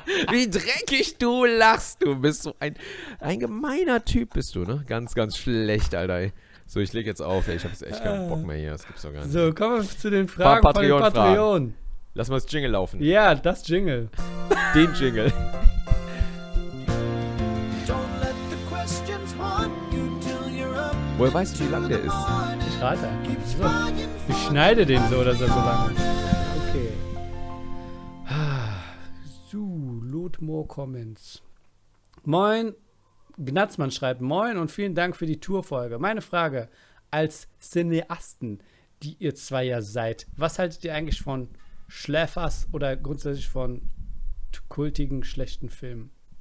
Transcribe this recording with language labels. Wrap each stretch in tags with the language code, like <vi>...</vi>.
<de>Wie dreckig du lachst. Du bist so ein gemeiner Typ bist du, ne? Ganz, ganz schlecht, Alter, ey. So, ich leg jetzt auf, ey. Ich hab echt keinen Bock mehr hier. Das gibt's doch gar nicht. So, kommen wir zu den Fragen von den Patreon. Lass mal das Jingle laufen. Ja, das Jingle. Den Jingle.</de> <en>Don't let the questions haunt you till you're up.</en> <de>Woher weißt du, wie lang der ist? Ich rate. So. Ich schneide den so, dass er so lang ist. Okay. So,</de> <en>load more comments.</en> <de>Moin. Gnatzmann schreibt, moin und vielen Dank für die Tourfolge. Meine Frage, als Cineasten, die ihr zwei ja seid, was haltet ihr eigentlich von Schläfers oder grundsätzlich von kultigen, schlechten Filmen?</de>